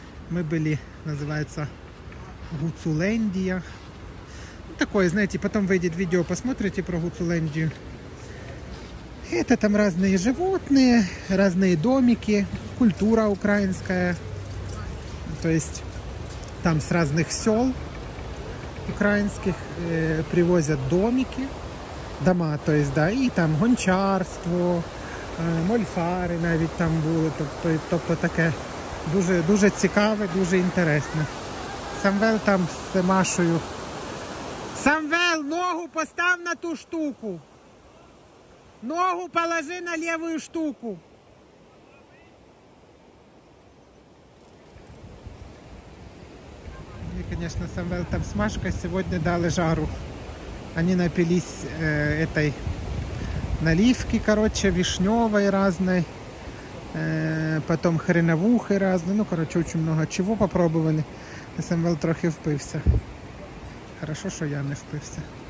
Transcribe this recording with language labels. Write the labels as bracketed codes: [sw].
[ru] Мы были, называется, Гуцулендия. Такое, знаете, потом выйдет видео, посмотрите про Гуцулендию. Это там разные животные, разные домики, культура украинская. То есть там с разных сел украинских привозят домики, дома, то есть, да, и там гончарство, [uk] мольфари навіть там були, тобто таке дуже, дуже цікаве, дуже інтересне. Самвел там з Машою. Самвел, ногу постав на ту штуку. Ногу положи на лівую штуку. Мені, звісно, Самвел там з Машкою сьогодні дали жару. Вони напились цієї наливки, [ru] короче, вишневой разной, потом хреновухой разной, ну, короче, очень много чего попробовали. [uk] СМВЛ трохи впився. [ru] Хорошо, что я не впився.